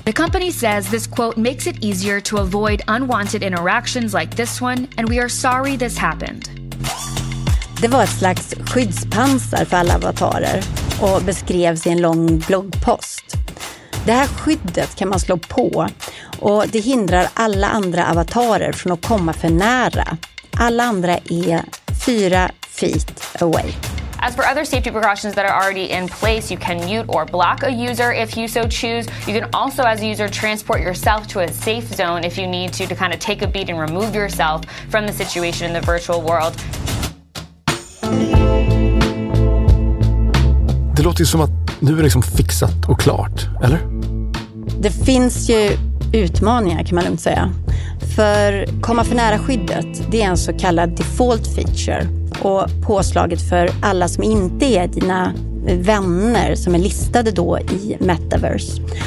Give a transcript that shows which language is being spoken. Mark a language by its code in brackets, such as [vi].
[en] The company says this, quote, makes it easier to avoid unwanted interactions like this one, and we are sorry this happened. [sv] Det var ett slags skyddspansar för alla avatarer och beskrevs i en lång bloggpost. Det här skyddet kan man slå på, och det hindrar alla andra avatarer från att komma för nära. Alla andra är 4 feet away. [en] As for other safety precautions that are already in place, you can mute or block a user if you so choose. You can also, as a user, transport yourself to a safe zone if you need to kind of take a beat and remove yourself from the situation in the virtual world. [sv] Det låter som att nu är liksom fixat och klart, eller? Det finns ju utmaningar, kan man lugnt säga. För komma för nära skyddet, det är en så kallad default feature. Och påslaget för alla som inte är dina vänner som är listade då i Metaverse.